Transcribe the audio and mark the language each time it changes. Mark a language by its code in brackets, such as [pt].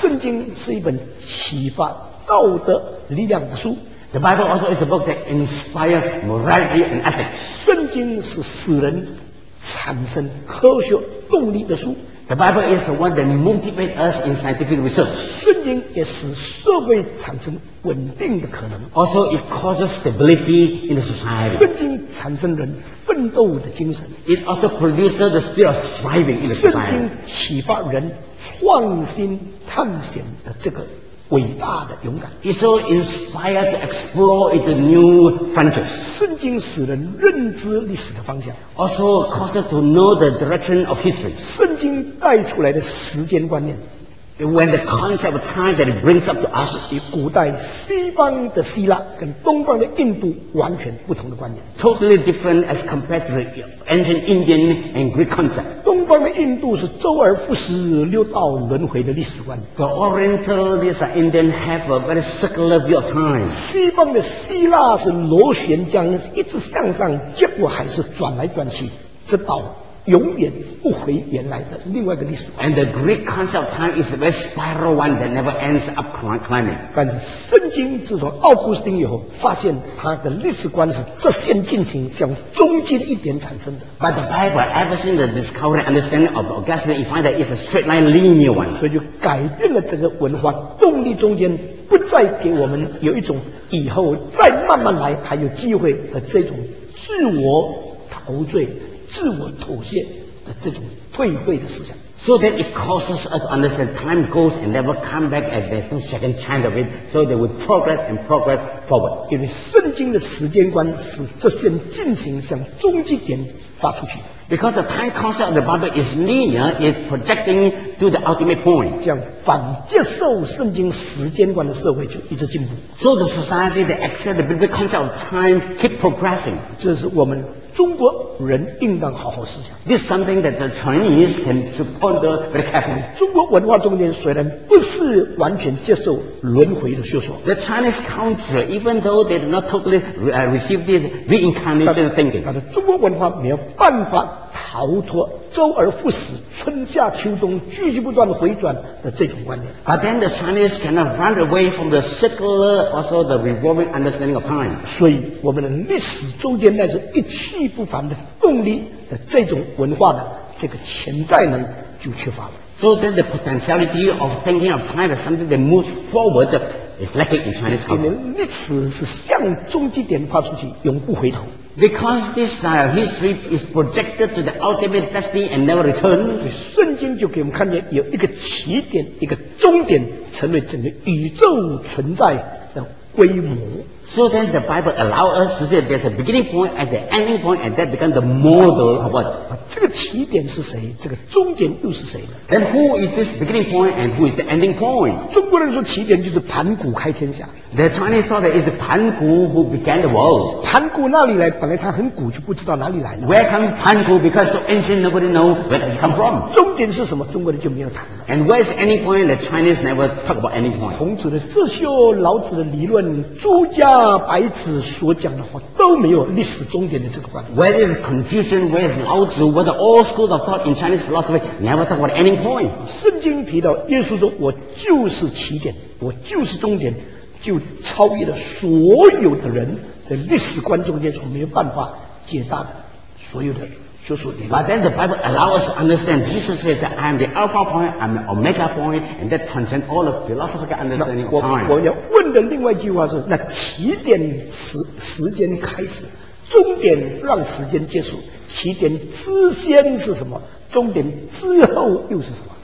[zh] 圣经是一本启发道德力量的书。 [en] The Bible also is a book that inspires morality and ethics. [zh] 圣经是使人产生科学动力的书。 [en] The Bible is the one that motivates us in scientific research. [zh] 圣经也使社会产生稳定的可能。 [en] Also, it causes stability in the society. [zh] 圣经产生人奋斗的精神。 [en] It also produces the spirit of striving in the society. [zh] 圣经启发人创新探险的这个伟大的勇敢。 [en] It's so inspired to explore into new frontiers. [zh] 圣经使人认知历史的方向。 [en] Also causes to know the direction of history. [zh] 圣经带出来的时间观念。 [en] When the concept of time that it brings up to us. [zh] 与古代西方的希腊跟东方的印度完全不同的观念。 [en] Totally different as compared to the ancient Indian and Greek concept. [zh] 东方的印度是周而复始六道轮回的历史观。 [en] The Orientals and Indians have a very circular view of time. [zh] 西方的希腊是螺旋桨，一直向上，结果还是转来转去，直到永远不回原来的另外一个历史观。 [en] And the Greek concept of time is a very spiral one that never ends up climbing. [zh] 但是圣经自从奥古斯丁以后，发现他的历史观是直线进行，向终极的一点产生的。 [en] But the Bible, ever since the discovery and understanding of Augustine, you find that it's a straight line linear one. [zh] 所以就改变了整个文化动力中间，不再给我们有一种以后再慢慢来还有机会的这种自我陶醉。自我妥协的这种退位的思想。 [en] So that it causes us to understand time goes and never come back and there's no second chance of it, so they will progress and progress forward. [zh] 因为圣经的时间观是直线进行向终极点发出去。 [en] Because the time concept of the Bible is linear, it's projecting to the ultimate point. [zh] 这样反接受圣经时间观的社会就一直进步。 [en] So the society that accepts the biblical concept of time keep progressing. [zh] 这是我们中国人应当好好思想。 [en] This is something that the Chinese can ponder very carefully. [zh] 中国文化中间虽然不是完全接受轮回的学说。 [en] The Chinese culture, even though they do not totally receive this reincarnation thinking. [zh] 但是中国文化没有办法逃脱周而复始、春夏秋冬、继续不断的回转的这种观念。 [en] But then the Chinese cannot run away from the circular, also the revolving understanding of time. [zh] 所以我们的历史中间那种一去不返的动力的这种文化的这个潜在能就缺乏了。 [en] So then the potentiality of thinking of time as something that moves forward is lacking in Chinese culture. [zh] 因为历史是向终极点发出去，永不回头。 [en] Because this history is projected to the ultimate destiny and never returns, [zh] 圣经就给我们看见有一个起点，一个终点，成为整个宇宙存在的规模。 [en] So then the Bible allows us to say there's a beginning point and the ending point, and that becomes the model of what. [zh] 这个起点是谁？这个终点又是谁？ [en] Then who is this beginning point and who is the ending point? [zh] 中国人说起点就是盘古开天下。 [en] The Chinese thought that it's the 盘古 who began the world. [zh] 盘古哪里来？本来它很古，就不知道哪里来。 [en] Where come 盘古 because so ancient nobody know where does it come from. [zh] 终点是什么？中国人就没有谈了。 [en] And where is the ending point? The Chinese never talk about ending point. [zh] 孔子的自修、老子的理论、朱家白子所讲的话都没有历史终点的这个观点。 [en] Whether it's Confucian, where is 老子 whether all schools of thought in Chinese philosophy never talk about ending point. [zh] 圣经提到耶稣说我就是起点，我就是终点，就超越了所有的人在历史观中间所没有办法解答的所有的学术理论。 [en] But then the Bible allows us to understand Jesus said that I am the alpha point, I am the omega point, and that transcends all of philosophical understanding of time. [zh] 我要问的另外一句话是，那起点时间开始终点让时间结束，起点之先是什么，终点之后又是什么。